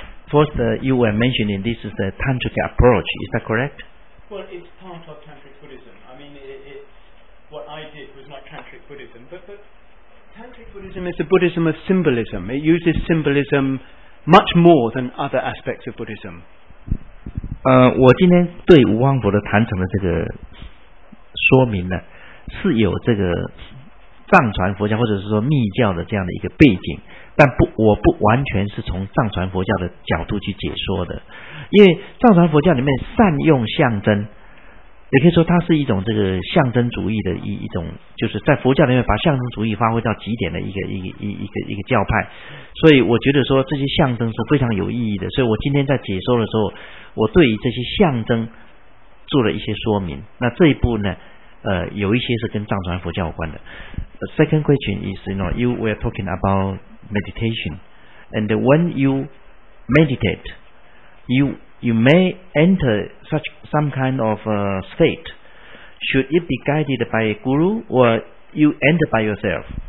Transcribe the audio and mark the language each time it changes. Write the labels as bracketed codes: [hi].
[en] First, you were mentioning this is the tantric approach, is that correct? Well, it's part of tantric Buddhism. I mean, what I did was not tantric Buddhism, but tantric Buddhism is a Buddhism of symbolism. It uses symbolism much more than other aspects of Buddhism. [zh] 我今天对无妄佛的坛城的这个说明呢，是有这个藏传佛教或者是说密教的这样的一个背景，但不，我不完全是从藏传佛教的角度去解说的，因为藏传佛教里面善用象征，也可以说它是一种这个象征主义的 一种，就是在佛教里面把象征主义发挥到极点的一个教派。所以我觉得说这些象征是非常有意义的，所以我今天在解说的时候，我对于这些象征做了一些说明。那这一部呢，有一些是跟藏传佛教有关的。 [en] Second question is, you know, you were talking about meditation, and when you meditate, you may enter such some kind of state. Should it be guided by a guru, or you enter by yourself?